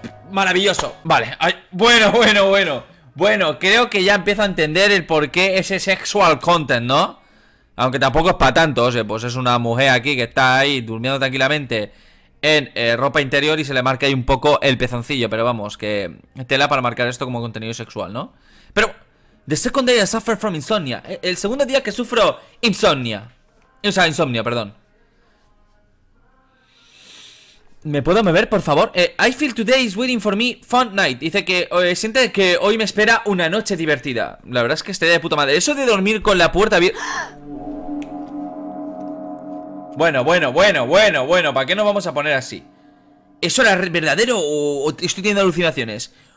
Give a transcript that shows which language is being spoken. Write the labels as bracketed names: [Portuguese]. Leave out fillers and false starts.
[Spanish] Maravilloso, vale. Ay, bueno, bueno, bueno. Bueno, creo que ya empiezo a entender el por qué ese [English] sexual content, [Spanish] ¿no? Aunque tampoco es para tanto, o sea, pues es una mujer aquí que está ahí durmiendo tranquilamente en ropa interior y se le marca ahí un poco el pezoncillo. Pero vamos, que tela para marcar esto como contenido sexual, ¿no? Pero, [English] the second day I suffer from insomnia. [Spanish] El segundo día que sufro insomnia. O sea, insomnio, perdón. ¿Me puedo mover, por favor? [English] I feel today is waiting for me fun night. [Spanish] Dice que siente que hoy me espera una noche divertida. La verdad es que estaría de puta madre. Eso de dormir con la puerta abierta. Bueno, bueno, bueno, bueno, bueno. ¿Para qué nos vamos a poner así? ¿Eso era verdadero o estoy teniendo alucinaciones?